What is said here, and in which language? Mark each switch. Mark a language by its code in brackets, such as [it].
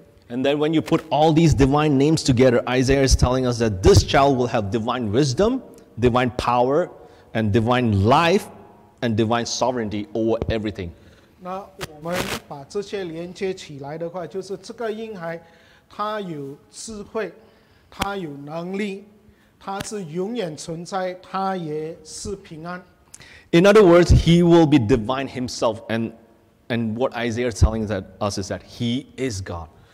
[en] And then when you put all these divine names together, Isaiah is telling us that this child will have divine wisdom, divine power, and divine life, and divine sovereignty over everything. [zh] 那我们把这些连接起来的话，就是这个婴孩，他有智慧，他有能力，他是永远存在，他也是平安。In [en] other words, he will be divine himself, and what Isaiah is telling us is that he is God.